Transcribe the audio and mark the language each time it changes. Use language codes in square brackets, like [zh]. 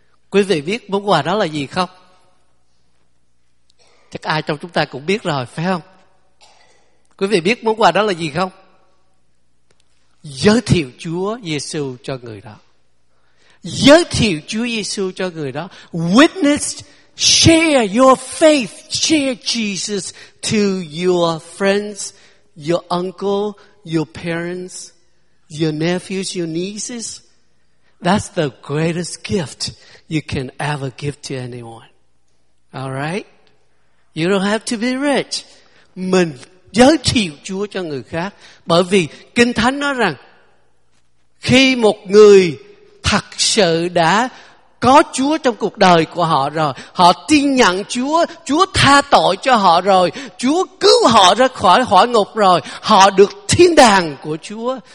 [vi] Quý vị biết món quà đó là gì không? Chắc ai trong chúng ta cũng biết rồi, phải không? Quý vị biết món quà đó là gì không? giới thiệu Chúa Giêsu cho người đó. Giới thiệu Chúa Giêsu cho người đó. [en] Witness, share your faith, share Jesus to your friends, your uncle, your parents, your nephews, your nieces. That's the greatest gift you can ever give to anyone. All right? You don't have to be rich. [vi] Mình giới thiệu Chúa cho người khác. Bởi vì Kinh Thánh nói rằng khi một người thật sự đã có Chúa trong cuộc đời của họ rồi, họ tin nhận Chúa, Chúa tha tội cho họ rồi, Chúa cứu họ ra khỏi hỏa ngục rồi, họ được thiên đàng của Chúa.